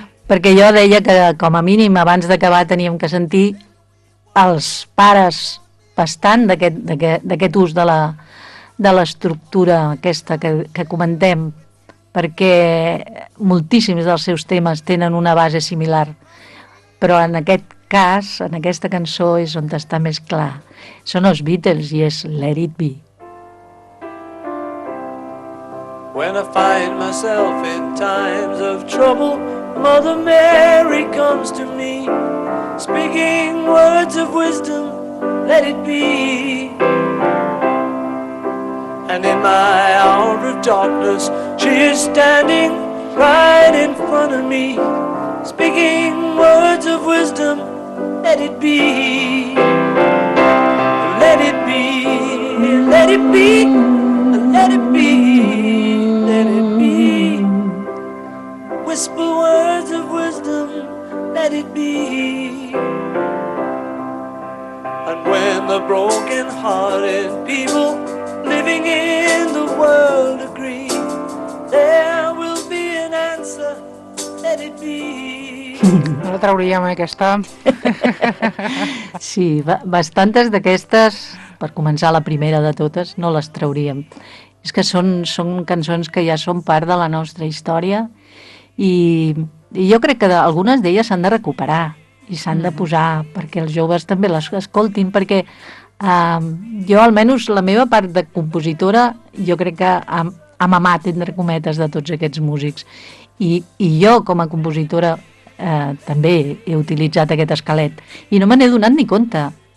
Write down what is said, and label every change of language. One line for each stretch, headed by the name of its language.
Catalan: Perquè jo deia que, com a mínim, abans d'acabar teníem que sentir els pares bastant d'aquest ús de l'estructura aquesta que comentem, perquè moltíssims dels seus temes tenen una base similar, però en aquest cas, en aquesta cançó, és on està més clar. Són els Beatles i és Let It Be.
English: When I find myself in times of trouble, Mother Mary comes to me, speaking words of wisdom, let it be. And in my hour of darkness, she is standing right in front of me, speaking words of wisdom, let it be. Let it be, let it be, let it be, let it be. Whisper words of wisdom, let it be. And when the broken-hearted people living in the world agree, there will be an answer, let it be.
Catalan: No la trauríem, aquesta. Sí, bastantes d'aquestes, per començar la primera de totes, no les trauríem. És que són cançons que ja són part de la nostra història i jo crec que algunes d'elles s'han de recuperar i s'han de posar perquè els joves també les escoltin, perquè jo almenys la meva part de compositora jo crec que ha mamat, entre cometes, de tots aquests músics i jo com a compositora també he utilitzat aquest esquelet i no me n'he donat ni compte.